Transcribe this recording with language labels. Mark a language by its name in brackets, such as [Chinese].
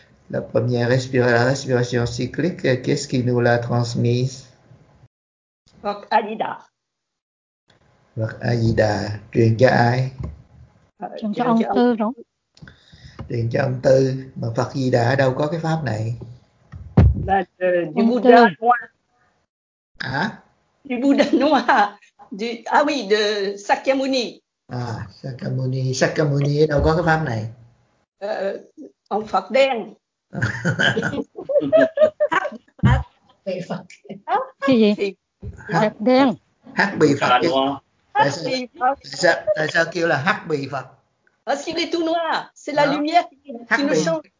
[French] La première respiration cyclique, qu'est-ce qui nous l'a transmise? [Vietnamese] Phật A Di Đà. Phật A Di Đà truyền cho ai? Truyền cho ông Tư đúng. Truyền cho ông Tư, mà Phật Di Đà đâu có cái pháp này? [French] Là du Bouddha noir. [Vietnamese] Hả? [French] Du Bouddha noir. De Sakyamuni. Sakyamuni. [Vietnamese] Sakyamuni đâu có cái pháp này? Ông Phật đen. Phật. Cái gì? Hắc đen. Hắc bì Phật. Hắc bì Phật. Tại sao kêu là hắc bì Phật? [French] Parce qu'il est tout noir. C'est la lumière qui nous change.